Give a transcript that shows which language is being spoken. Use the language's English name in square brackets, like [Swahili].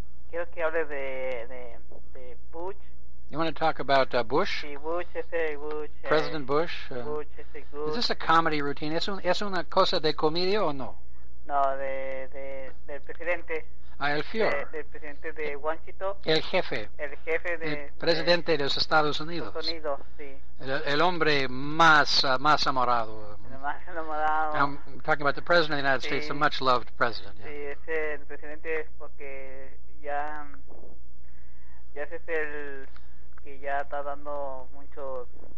[Spanish] Quiero que hable de Bush. [English] You want to talk about Bush? [Spanish] Sí, Bush, Bush. [English] President Bush? [Spanish] Bush, Bush. [English] Is this a comedy routine? [Spanish] ¿Es una cosa de comedia o no? No, del presidente. Ah, el Führer. Del presidente de Washington. El jefe. El jefe de... El presidente de los Estados Unidos. Estados Unidos, sí. El hombre más amorado. [English] I'm talking about the President of the United States, a much-loved President. [Spanish] Sí, es el presidente porque ya es el que ya está dando mucho...